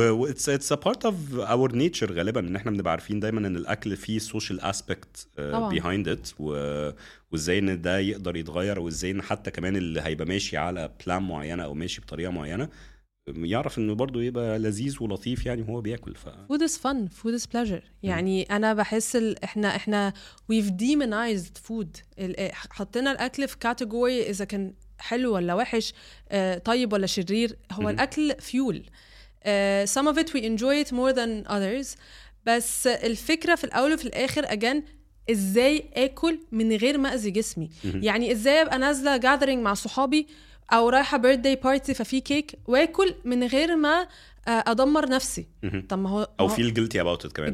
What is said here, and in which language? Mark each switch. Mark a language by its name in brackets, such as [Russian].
[English] it's a part of our nature [Arabic] غالبا ان احنا بنبقى عارفين دايما ان الاكل فيه [English] social aspect behind it, [Arabic] وازاي ان ده يقدر يتغير, وازاي ان حتى كمان اللي هيبقى ماشي على بلان معينه او ماشي بطريقه معينه يعرف انه برضو يبقى لذيذ ولطيف يعني هو بياكل. [English] food is fun, food is pleasure. [Arabic] يعني انا بحس احنا [English] we've demonized food. [Arabic] حطينا الاكل في category اذا كان حلو ولا وحش, طيب ولا شرير. هو الأكل فيول. [English] Some of it we enjoy it more than others. [Arabic] بس الفكرة في الأول وفي الآخر again, إزاي أكل من غير ما أذي جسمي. يعني إزاي أبقى نازلة gathering مع صحابي أو رايحة birthday party ففي كيك وأكل من غير ما أدمر نفسي. طب ما هو أو [English] feel guilty about it [Arabic] كمان.